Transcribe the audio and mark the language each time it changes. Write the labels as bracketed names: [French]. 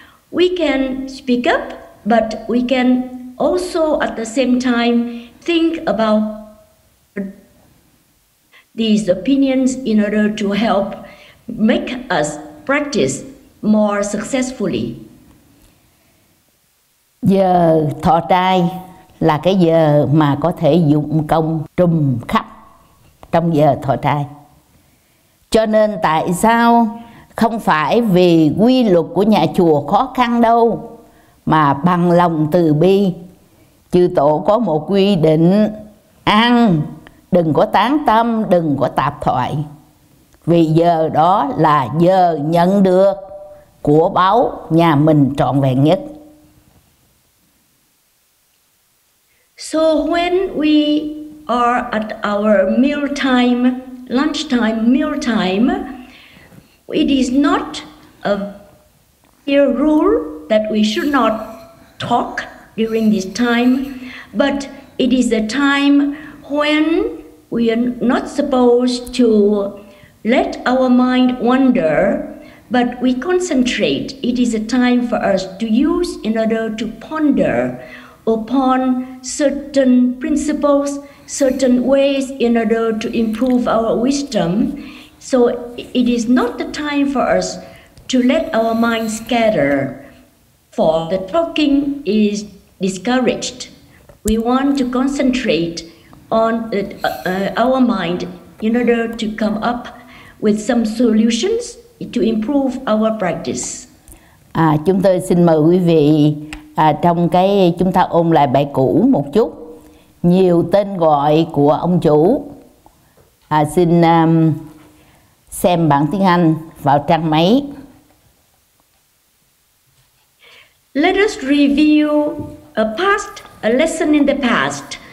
[English] We can speak up, but we can also at the same time think about these opinions in order to help make us practice more successfully. [Vietnamese] Giờ thọ trai là cái giờ mà có thể dụng công trùm khắp trong giờ thọ trai. Cho nên tại sao không phải vì quy luật của nhà chùa khó khăn đâu, mà bằng lòng từ bi, chư tổ có một quy định ăn, đừng có tán tâm, đừng có tạp thoại. Vì giờ đó là giờ nhận được của báo nhà mình trọn vẹn nhất. [English] So when we are at our meal time, lunchtime, meal time, it is not a clear rule that we should not talk during this time, but it is a time when we are not supposed to let our mind wander, but we concentrate. It is a time for us to use in order to ponder upon certain principles certain ways in order to improve our wisdom. So it is not the time for us to let our mind scatter, for the talking is discouraged. We want to concentrate on our mind in order to come up with some solutions to improve our practice. [Vietnamese] À, chúng tôi xin mời quý vị trong cái chúng ta ôn lại bài cũ một chút. Nhiều tên gọi của ông chủ. Xin xem bản tiếng Anh vào trang mấy. [English] Let us review a past, a lesson in the past.